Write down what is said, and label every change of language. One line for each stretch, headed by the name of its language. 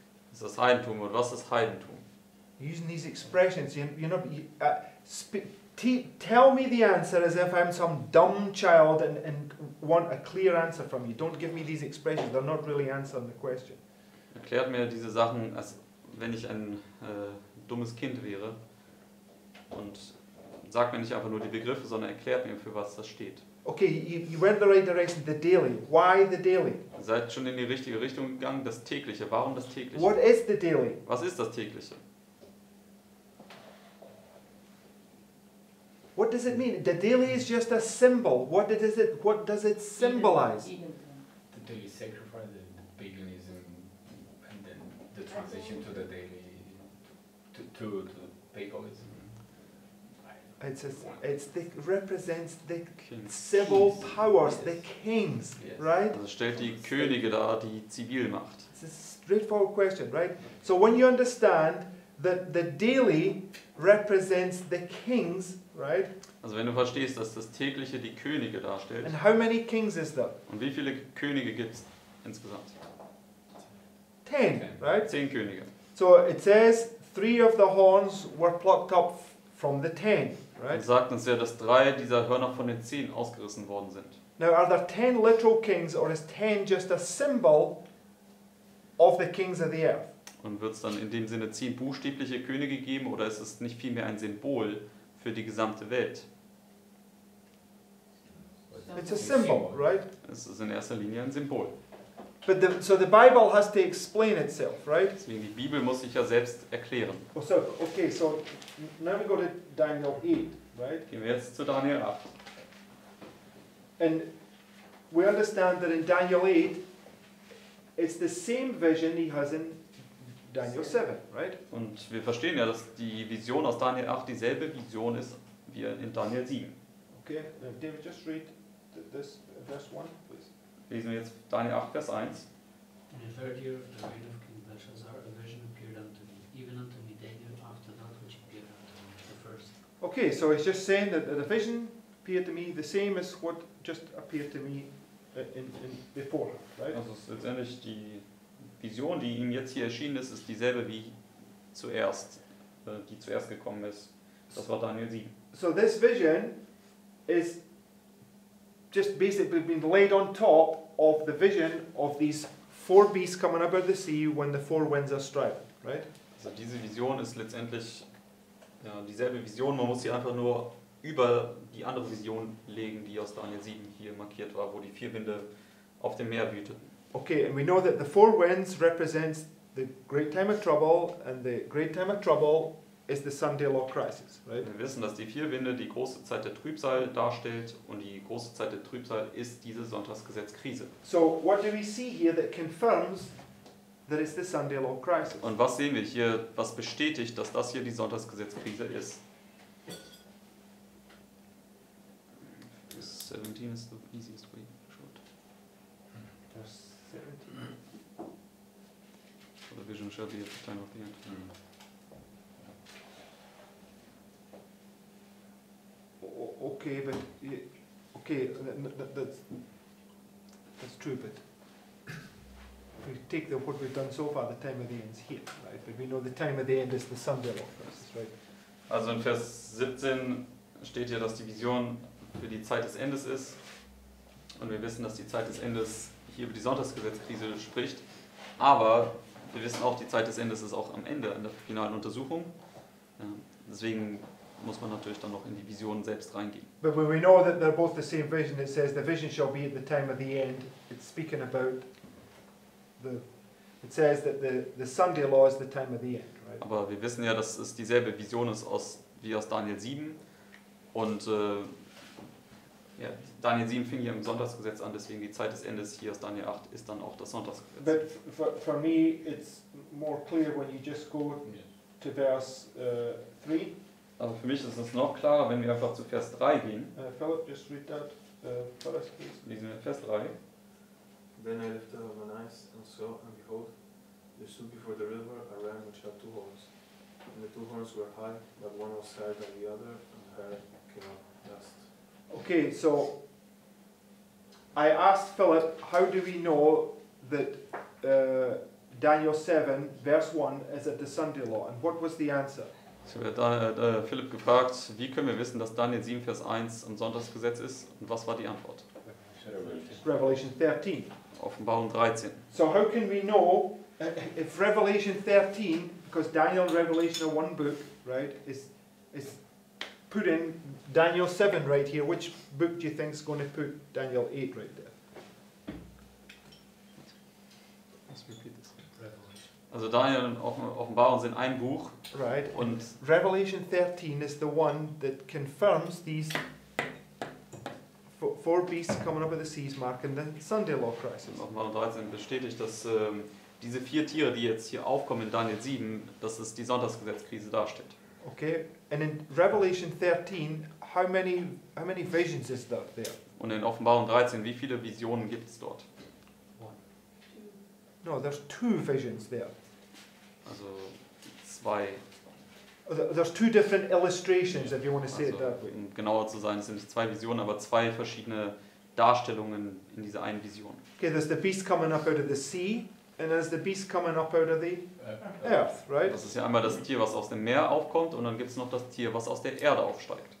German: Das ist das Heidentum und was ist Heidentum?
English: Using these expressions, tell me the answer as if I'm some dumb child and want a clear answer from you. Don't give me these expressions; they're not really answering the question.
German: Erklärt mir diese Sachen, als wenn ich ein dummes Kind wäre, und sagt mir nicht einfach nur die Begriffe, sondern erklärt mir, für was das steht.
English: Okay, you went the right direction, the daily. Why the daily?
German: Seid schon in die richtige Richtung gegangen, das tägliche. Warum das tägliche?
English: What is the daily?
German: Was ist das tägliche?
English: What does it mean? The daily is just a symbol. What does it symbolize? The daily sacrifice, the paganism, and then the transition to the daily, to paganism. It represents the kings. Civil powers, yes. The kings, yes. Right?
German: Also stellt die Könige da die Zivilmacht.
English: It's a straightforward question, right? So when you understand that the daily represents the kings, right?
German: Also wenn du verstehst, dass das tägliche die Könige darstellt.
English: And how many kings is there?
German: Und wie viele Könige gibt's insgesamt?
English: Ten, right?
German: Zehn Könige.
English: So it says three of the horns were plucked up from the ten, right?
German: Und sagt uns ja, dass drei dieser Hörner von den zehn ausgerissen worden sind.
English: Now are there ten literal kings or is ten just a symbol of the kings of the earth?
German: Und wird es dann in dem Sinne zehn buchstäbliche Könige geben oder ist es nicht vielmehr ein Symbol für die gesamte Welt?
English: It's a symbol, right?
German: Es ist in erster Linie ein Symbol.
English: But the Bible has to explain itself, right?
German: Deswegen die Bibel muss sich ja selbst erklären.
English: Oh, so, okay, so now we go to Daniel 8, right?
German: Gehen wir jetzt zu Daniel 8.
English: And we understand that in Daniel 8 it's the same vision he has in Daniel 7, right?
German: Und wir verstehen ja, dass die Vision aus Daniel 8 dieselbe Vision ist wie in Daniel 7.
English: Okay, David, just read this verse 1, please.
German: Lesen wir jetzt Daniel 8, Vers 1.
English: In the third year of the reign of King Belshazzar, a vision appeared unto me, even unto me Daniel, after that which appeared unto me the first. Okay, so it's just saying that the vision appeared to me the same as what just appeared to me in before, right?
German: Also ist letztendlich die Vision, die ihm jetzt hier erschienen ist, ist dieselbe wie zuerst, die zuerst gekommen ist. Das war Daniel 7.
English: So this vision is just basically being laid on top of the vision of these four beasts coming up out of the sea when the four winds are striving, right?
German: Also diese Vision ist letztendlich ja, dieselbe Vision, man muss sie einfach nur über die andere Vision legen, die aus Daniel 7 hier markiert war, wo die vier Winde auf dem Meer wüteten.
English: Okay, and we know that the four winds represents the great time of trouble, and the great time of trouble is the Sunday law crisis, right?
German: Wir wissen, dass die vier Winde die große Zeit der Trübsal darstellt, und die große Zeit der Trübsal ist diese Sonntagsgesetzkrise.
English: So what do we see here that confirms that it's the Sunday law crisis?
German: Und was sehen wir hier, was bestätigt, dass das hier die Sonntagsgesetzkrise ist?
English: 17 is the easiest way. Short.
German: Verse 17.
English: The vision shall be at the time of the end. Mm-hmm. Okay, but okay, that's true. But if we take the what we've done so far, the time of the end is here, right? But we know the time of the end is the Sunday law crisis, right?
German: Also in Vers 17 steht hier, dass die Vision für die Zeit des Endes ist, und wir wissen, dass die Zeit des Endes hier über die Sonntagsgesetzkrise spricht, aber wir wissen auch, die Zeit des Endes ist auch am Ende, in der finalen Untersuchung. Ja, deswegen muss man natürlich dann noch in die Vision selbst reingehen.
English: But when we know that they're both the same vision, it says the vision shall be at the time of the end, it's speaking about the, it says that the Sunday law is the time of the end, right?
German: Aber wir wissen ja, dass es dieselbe Vision ist aus, wie aus Daniel 7, und ja, Daniel 7 fing hier im Sonntagsgesetz an, deswegen die Zeit des Endes hier aus Daniel 8 ist dann auch das Sonntagsgesetz.
English: But for me it's more clear when you just go to verse 3.
German: Also für mich ist es noch klarer, wenn wir einfach zu Vers 3 gehen.
English: Philip, just read that for us, please.
German: Lesen wir Vers 3.
English: Then I lifted up my eyes and saw, and behold, there stood before the river a ram which had two horns. And the two horns were high, but one was higher than the other, and the hair came up dust. Okay, so I asked Philip, how do we know that Daniel 7, verse 1, is at the Sunday law? And what was the answer?
German: So hat Philip gefragt, wie können wir wissen, dass Daniel 7, Vers 1 am Sonntagsgesetz ist? Und was war die Antwort?
English: Revelation 13.
German: Offenbarung 13.
English: So how can we know if Revelation 13, because Daniel and Revelation are one book, right, is put in Daniel 7 right here, which book do you think is going to put Daniel 8 right there? Let's repeat this. Revelation.
German: Also Daniel und Offenbarung sind ein Buch.
English: Right.
German: Und
English: Revelation 13 is the one that confirms these four beasts coming up at the seas marking the Sunday law crisis.
German: Und Offenbarung 13 bestätigt, dass diese vier Tiere, die jetzt hier aufkommen in Daniel 7, dass es die Sonntagsgesetzkrise darstellt.
English: Okay. And in Revelation 13, how many visions is there?
German: Und in Offenbarung 13, wie viele Visionen gibt es dort?
English: No, there's two visions there.
German: Also zwei.
English: There's two different illustrations, if you want to say it that way.
German: Um genauer zu sein, es sind zwei Visionen, aber zwei verschiedene Darstellungen in dieser einen Vision.
English: Okay, there's the beast coming up out of the sea. And there's the beast coming up out of the earth, right?
German: Das ist ja einmal das Tier, was aus dem Meer aufkommt, und dann gibt es noch das Tier, was aus der Erde aufsteigt.